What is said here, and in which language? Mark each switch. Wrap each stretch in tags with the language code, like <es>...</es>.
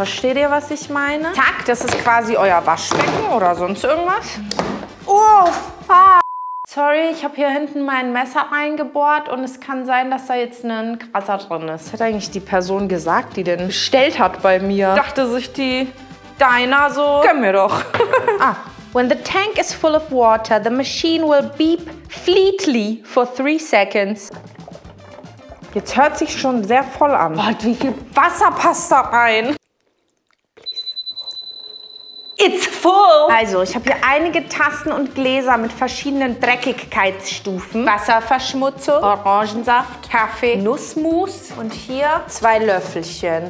<de>Versteht ihr, was ich meine? Zack, das ist quasi euer Waschbecken oder sonst irgendwas.</de> <en>Oh, fuck. Sorry,</en> <de>ich habe hier hinten mein Messer reingebohrt und es kann sein, dass da jetzt ein Kratzer drin ist. Hat eigentlich die Person gesagt, die den bestellt hat bei mir? Dachte sich die Deiner so? Gönn mir doch. Ah.</de> <en>When the tank is full of water, the machine will beep fleetly for 3 seconds.</en> <de>Jetzt hört sich schon sehr voll an. Gott, wie viel Wasser passt da rein?</de> <en>It's full!</en> <de>Also, ich habe hier einige Tassen und Gläser mit verschiedenen Dreckigkeitsstufen. Wasserverschmutzung, Orangensaft, Kaffee, Nussmus und hier 2 Löffelchen.</de>